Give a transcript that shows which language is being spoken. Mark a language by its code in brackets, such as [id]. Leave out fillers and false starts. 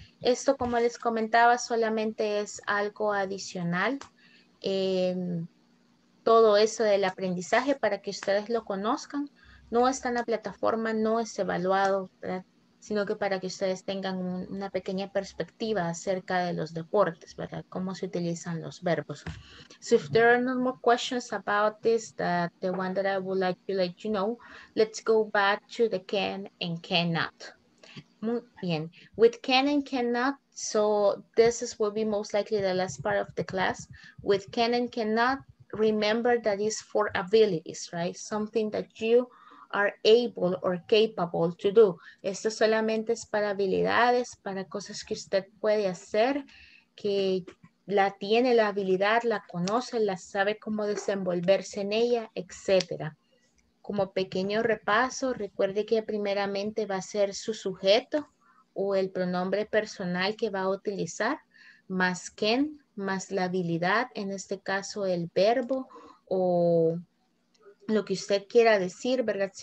[es] Esto, como les comentaba, solamente es algo adicional. Todo eso del aprendizaje para que ustedes lo conozcan. No está en la plataforma, no es evaluado, ¿verdad? Sino que para que ustedes tengan una pequeña perspectiva acerca de los deportes, ¿verdad? Cómo se utilizan los verbos. [en] So if there are no more questions about this, the one that I would like to let you know, let's go back to the can and cannot. [es] Muy bien. [en] With can and cannot, so this is will be most likely the last part of the class. With can and cannot, remember that it's for abilities, right? Something that you are able or capable to do. [es] Esto solamente es para habilidades, para cosas que usted puede hacer, que la tiene la habilidad, la conoce, la sabe cómo desenvolverse en ella, etcétera. Como pequeño repaso, recuerde que primeramente va a ser su sujeto o el pronombre personal que va a utilizar, más can, más la habilidad, en este caso el verbo o lo que usted quiera decir, ¿verdad?